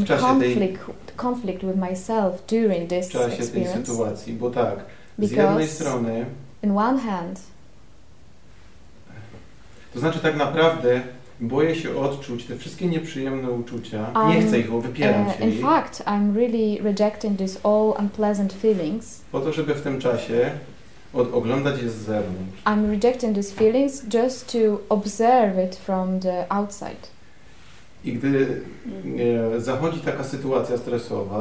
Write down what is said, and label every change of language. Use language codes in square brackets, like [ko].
[pl] w czasie [en] conflict with myself during this [pl] w czasie [en] experience. [pl] Tej sytuacji, bo tak, [en] because [pl] z jednej strony [en] in one hand, [pl] to znaczy tak naprawdę boję się odczuć te wszystkie nieprzyjemne uczucia. Nie chcę ich, wypieram się. [en] In fact, I'm really rejecting these all unpleasant feelings. [pl] Po to, żeby w tym czasie oglądać je z zewnątrz. [en] I'm rejecting these feelings just to observe it from the outside. [pl] I gdy zachodzi taka sytuacja stresowa.